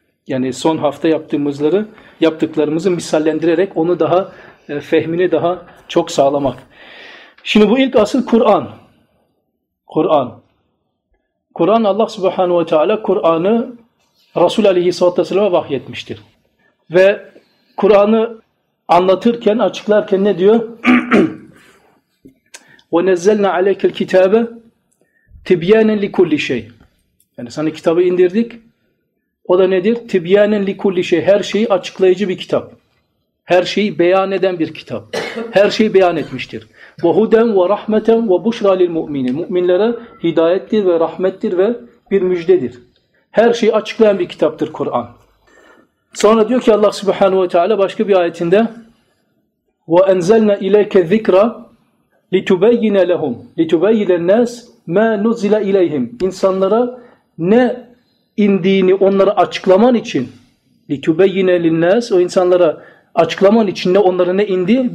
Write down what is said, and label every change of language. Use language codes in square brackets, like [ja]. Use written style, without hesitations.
[tr] Yani son hafta yaptığımızları, yaptıklarımızı misallendirerek onu daha, fehmini daha çok sağlamak. Şimdi bu ilk asıl Kur'an. Kur'an. Kur'an, Allah Subhanahu ve Teala Kur'an'ı Resul Aleyhisselatü Vesselam'a vahyetmiştir. Ve Kur'an'ı anlatırken, açıklarken ne diyor? [ar] وَنَزَّلْنَا عَلَيْكَ الْكِتَابَ تِبْيَانًا لِكُلِّ شَيْ [tr] Yani sana kitabı indirdik. O da nedir? [ar] تِبْيَانًا لِكُلِّ شَيْ [tr] Her şeyi açıklayıcı bir kitap. Her şeyi beyan eden bir kitap. Her şeyi beyan etmiştir. [ar] وَهُدَنْ وَرَحْمَةً وَبُشْرَى لِلْمُؤْمِنِ [tr] Müminlere hidayettir ve rahmettir ve bir müjdedir. Her şeyi açıklayan bir kitaptır Kur'an. Sonra diyor ki Allah Subhanahu ve Teala başka bir ayetinde [ar] وَاَنْزَلْنَا اِلَيْكَ الذِّكْرَ لِتُبَيِّنَ لَهُمْ لِتُبَيِّنَ النَّاسِ مَا نُزِلَ اِلَيْهِمْ [tr] İnsanlara ne indiğini onlara açıklaman için [ar] لِتُبَيِّنَ لِلنَّاسِ [tr] O insanlara açıklaman için ne onlara ne indi?